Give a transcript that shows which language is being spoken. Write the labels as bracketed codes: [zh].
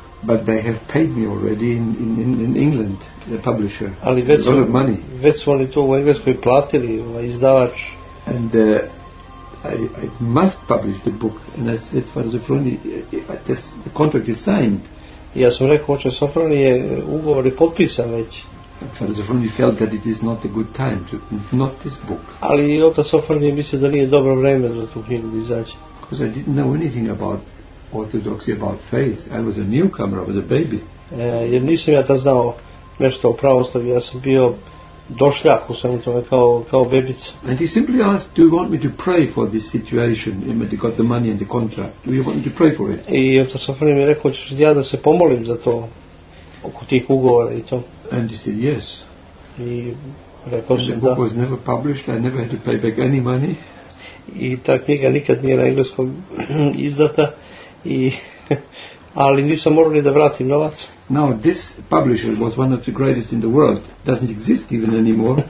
[en] But they have paid me already in England, the publisher. [sr] Ali već [en] a lot of money. [sr] Već su oni to u Engleskoj platili, izdavač. [en] And I must publish the book. And I said, Father Zaffaroni, the contract is signed. [sr] Ja sam rekao, oče Sofroni, je ugovor je potpisan već. [en] Father Zaffaroni felt that it is not a good time to, not this book. [sr] Ali oče Sofroni mislio da nije dobro vreme za tu knjigu da izađe. [en] Because I didn't know anything about orthodoxy, about faith. I was a newcomer, I was a baby. [sr] Jer nisam ja tad znao nešto o pravoslavlju, ja sam bio došljak u svemu tome kao, kao bebica. [en] And he simply asked, do you want me to pray for this situation? I mean, they got the money and the contract. Do you want me to pray for it? [sr] I otac Safran mi rekao, ću ja da se pomolim za to, oko tih ugovora i to. [en] And he said, yes. [sr] I rekao [en] and [sr] sam da. [en] And the book was never published, I never had to pay back any money. [sr] I ta knjiga nikad nije na engleskom izdata i ali nisam morali da vratim novac. [en] Now this publisher was one of the greatest in the world, doesn't exist even anymore.